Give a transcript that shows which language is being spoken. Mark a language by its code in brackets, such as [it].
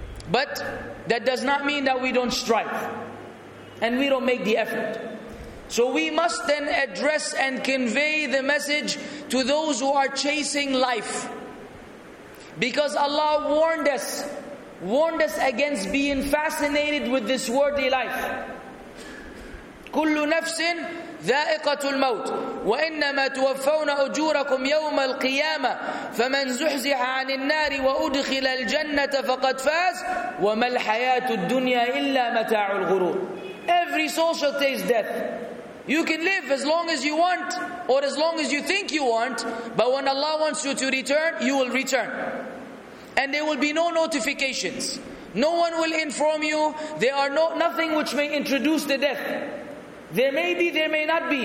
[en] But that does not mean that we don't strive and we don't make the effort. So we must then address and convey the message to those who are chasing life. Because Allah warned us against being fascinated with this worldly life. [ar] كل نفس ذائقة الموت وإنما توفون أجوركم يوم القيامة فمن زحزح عن النار وأدخل الجنة فقد فاز وما الحياة الدنيا إلا متاع الغرور. [en] Every soul shall taste death. You can live as long as you want or as long as you think you want, but when Allah wants you to return, you will return. And there will be no notifications. No one will inform you. There are nothing which may introduce the death. There may be, there may not be.